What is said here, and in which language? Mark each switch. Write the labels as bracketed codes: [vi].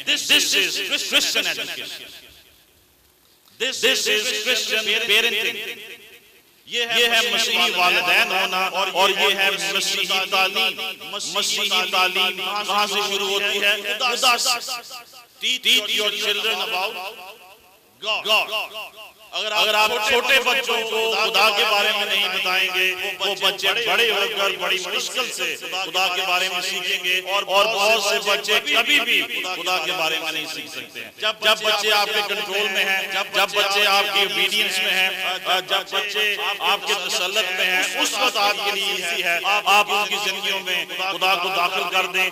[en] This is Christian education, this is Christian parenting, [ur] یہ ہے مسیحی والدین ہونا اور یہ ہے مسیحی تعلیم. مسیحی تعلیم کہاں سے شروع ہوتی ہے, خدا سے. [en] Teach your children about God. [ur] اگر آپ چھوٹے بچوں کو خدا کے بارے میں نہیں بتائیں گے, وہ بچے بڑے ہو کر بڑی مشکل سے خدا کے بارے میں سیکھیں گے, اور بہت سے بچے کبھی بھی خدا کے بارے میں نہیں سیکھ سکتے ہیں. جب بچے آپ کے کنٹرول میں ہیں, جب بچے آپ کی اوبیڈینس میں ہیں, جب بچے آپ کے تسلط میں ہیں, اس وقت آپ کے لیے ایزی ہے, آپ ان کی زندگیوں میں خدا کو داخل کر دیں.